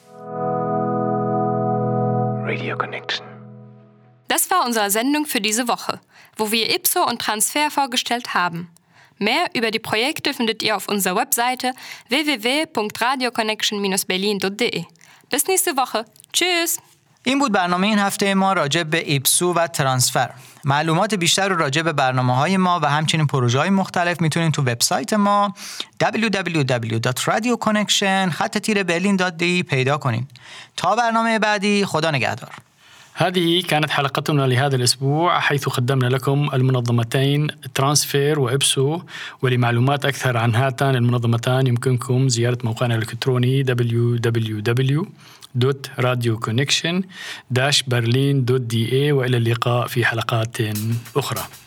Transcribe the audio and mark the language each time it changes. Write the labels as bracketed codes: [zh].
[de] Radio Connection. Das war unsere Sendung für diese Woche, wo wir Ipso und Transfer vorgestellt haben. Mehr über die Projekte findet ihr auf unserer Webseite www.radioconnection-berlin.de. Bis nächste Woche. Tschüss! [fa] این بود برنامه این هفته ما راجع به ایپسو و ترانسفر. معلومات بیشتر رو راجع به برنامه‌های ما و همچنین پروژه‌های مختلف میتونید تو وبسایت ما www.radioconnection.de پیدا کنین. تا برنامه بعدی خدا نگهدار. [ar] هذه كانت حلقتنا لهذا الأسبوع حيث قدمنا لكم المنظمتين ترانسفير وإبسو ولمعلومات أكثر عن هاتان المنظمتان يمكنكم زيارة موقعنا الإلكتروني www.radioconnection-berlin.de وإلى اللقاء في حلقات أخرى.